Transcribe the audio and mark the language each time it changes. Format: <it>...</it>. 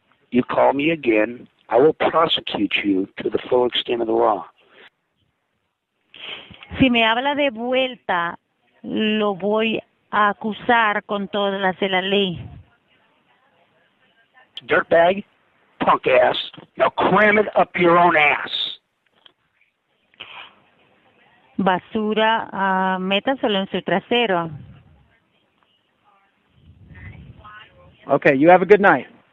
<en>You call me again, I will prosecute you to the full extent of the law.</en> <es>Si me habla de vuelta, lo voy a acusar con todas las de la ley.</es> <en>Dirtbag, punk ass, now cram it up your own ass.</en> <es>Basura, métaselo en su trasero.</es> <en>Okay, you have a good night.</en>